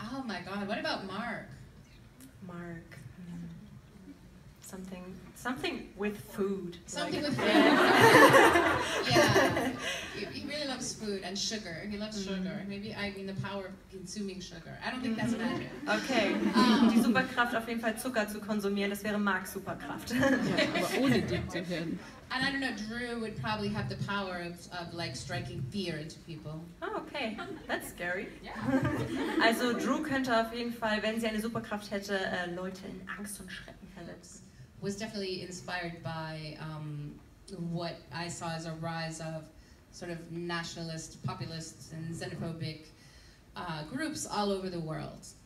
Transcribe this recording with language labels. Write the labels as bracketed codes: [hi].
[en] Oh my god, what about Mark? Mark. Mm. Something with food. Something like. With food. Yeah. He really loves food and sugar. He loves sugar. Maybe I mean the power of consuming sugar. I don't think that's magic. Okay. [de] Die Superkraft auf jeden Fall Zucker zu konsumieren, das wäre Marks Superkraft. Ja, aber ohne dick zu werden. [en] And I don't know, Drew would probably have the power of like striking fear into people. Oh, okay. That's scary. Yeah. [de] Also Drew könnte auf jeden Fall, wenn sie eine Superkraft hätte, Leute in Angst und Schrecken verletzen. [en] Was definitely inspired by what I saw as a rise of sort of nationalist, populist, and xenophobic groups all over the world.